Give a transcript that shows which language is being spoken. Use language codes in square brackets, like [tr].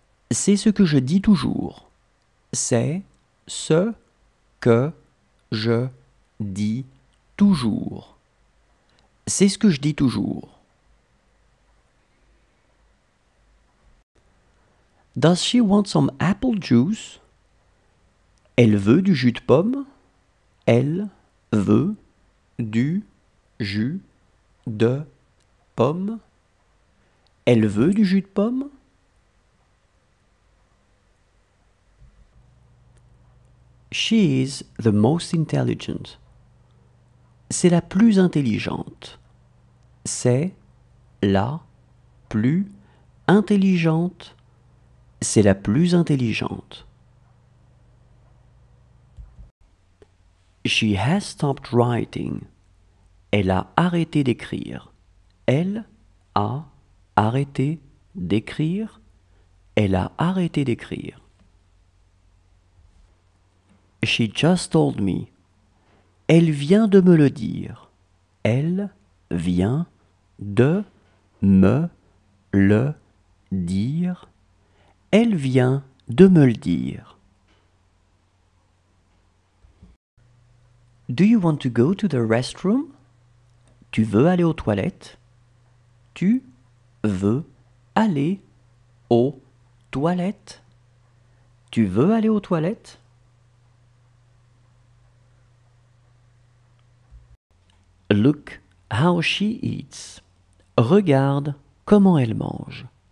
[fr] C'est ce que je dis toujours. C'est ce que je dis toujours. C'est ce que je dis toujours. [en] Does she want some apple juice? [fr] Elle veut du jus de pomme? Elle veut du jus de pomme? Elle veut du jus de pomme? [en] She is the most intelligent. [fr] C'est la plus intelligente. C'est la plus intelligente. C'est la plus intelligente. [en] She has stopped writing. [fr] Elle a arrêté d'écrire. Elle a arrêté d'écrire. Elle a arrêté d'écrire. [en] She just told me. [fr] Elle vient de me le dire. Elle vient de me le dire. Elle vient de me le dire. [en] Do you want to go to the restroom? [fr] Tu veux aller aux toilettes? Tu veux aller aux toilettes? Tu veux aller aux toilettes? [en] Look how she eats. [fr] Regarde comment elle mange.